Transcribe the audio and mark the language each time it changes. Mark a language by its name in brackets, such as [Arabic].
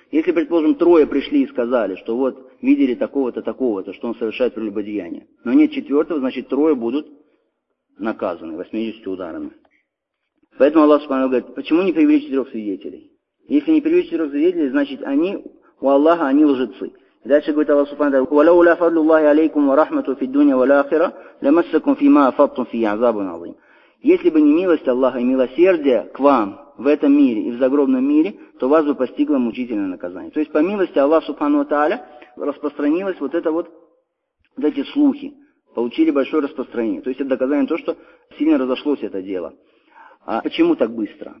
[Russian] Если, предположим, 3 пришли и сказали, что вот видели такого-то, такого-то, что он совершает прелюбодеяние, но нет 4-го, значит, 3 будут наказаны 80 ударами. Поэтому Аллах Субхану говорит, почему не привели 4 свидетелей? Если не привели 4 свидетелей, значит они, у Аллаха они лжецы. И дальше говорит Аллах Субхану, [Arabic] وَلَوْ لَا فَضْلُ اللَّهِ عَلَيْكُمْ وَرَحْمَةُ فِي الدُّنْيَا وَالْآخِرَةِ لَمَسَّكُمْ فِي مَا أَفَضْتُمْ فِي عَذَابٌ عَظِيمٌ. [Russian] Если бы не милость Аллаха и милосердие к вам в этом мире и в загробном мире, то вас бы постигло мучительное наказание. То есть по милости Аллах Субхану Тааля распространилось вот это вот, вот эти слухи, получили большое распространение. То есть это доказание того, что сильно разошлось это дело. А почему так быстро?